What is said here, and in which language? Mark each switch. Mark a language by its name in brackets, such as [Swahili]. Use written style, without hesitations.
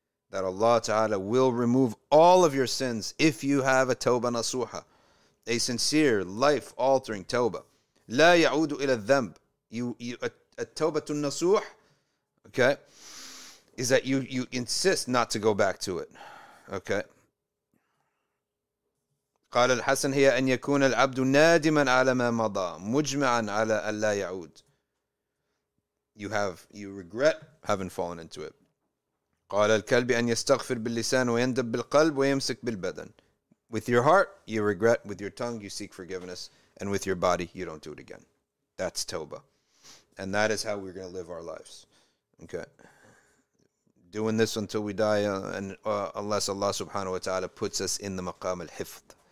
[English] That Allah Ta'ala will remove all of your sins if you have a tawbah nasuha, a sincere, life-altering tawbah. [Arabic] La ya'udu ila dhanb. [English] A tawbatun nasuha, okay, is that you insist not to go back to it. Okay. [Arabic] قال الحسن هي أن يكون العبد نادما على ما مضى مجمعا على ألا يعود. [English] You regret having fallen into it. [Arabic] قال الكلب أن يستغفر باللسان ويندب بالقلب ويمسك بالبدن. [English] With your heart, you regret. With your tongue, you seek forgiveness. And with your body, you don't do it again. That's tawbah. And that is how we're going to live our lives. Okay. Doing this until we die, unless Allah subhanahu wa ta'ala puts us in the maqam al-hifd.